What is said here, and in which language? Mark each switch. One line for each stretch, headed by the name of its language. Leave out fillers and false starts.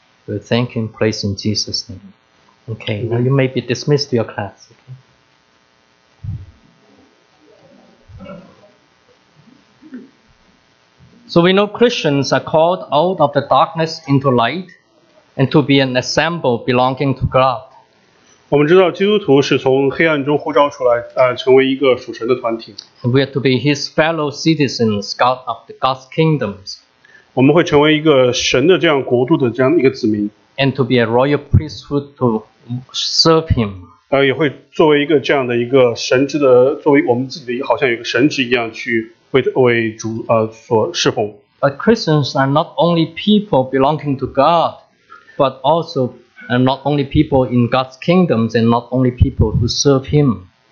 English: We thank and praise in Jesus' name. Okay, now you may be dismissed to your class. Okay? So we know Christians are called out of the darkness into light and to be an assembly belonging to God.
Chinese: 我们知道基督徒是从黑暗中呼召出来, 成为一个属神的团体。
English: We are to be his fellow citizens, God of the God's kingdoms.
Chinese: 我们会成为一个神的这样国度的这样一个子民。
English: And to be a royal priesthood to serve him.
Chinese: 也会作为一个这样的一个神职的, 作为我们自己的, 好像有个神职一样, 去为主, 所侍奉。
English: But Christians are not only people belonging to God, but also and not only people in God's kingdoms, and not only people who serve Him.